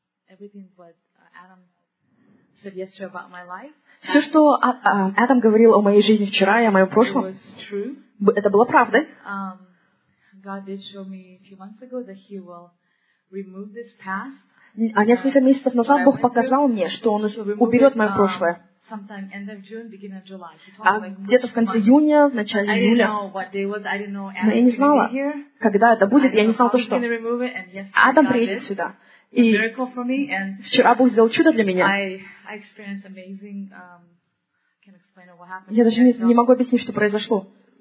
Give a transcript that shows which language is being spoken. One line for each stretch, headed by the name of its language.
English: Everything what Adam said yesterday about my life.
Russian: Все, что Адам говорил о моей жизни вчера и о моем прошлом, это было правдой.
English: God did show me a few months ago that He will remove this past.
Russian: А несколько месяцев назад Бог показал мне, что Он уберет мое прошлое.
English: Sometime end of June, beginning of July.
Russian: А где-то в конце июня, в начале июля. Но я не знала, когда это будет, я не знала то, что Адам приедет сюда. И вчера Бог сделал чудо для меня. Я даже не могу объяснить, что произошло.